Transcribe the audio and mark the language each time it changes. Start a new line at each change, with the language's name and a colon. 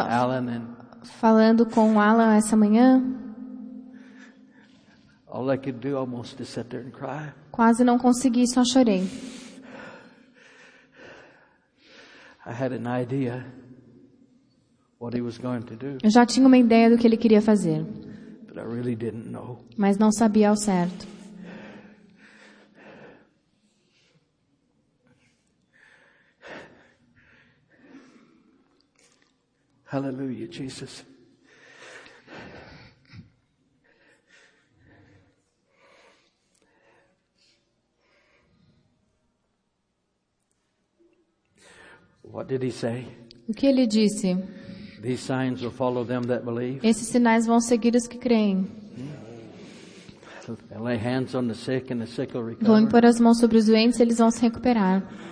English: Alan and
Portuguese: falando com o Alan essa manhã.
English: All I could do almost is sit there and cry.
Portuguese: Quase não consegui, só chorei.
English: I had an idea what he was going to do.
Portuguese: Eu já tinha uma ideia do que ele queria fazer.
English: But I really didn't know.
Portuguese: Mas não sabia ao certo.
English: Hallelujah, Jesus. What did he say?
Portuguese: O que ele disse?
English: These signs will follow them that believe.
Portuguese: Esses sinais vão seguir os que creem.
English: They'll lay hands on the sick and the sick will recover.
Portuguese: Vão impor as mãos sobre os doentes e eles vão se recuperar.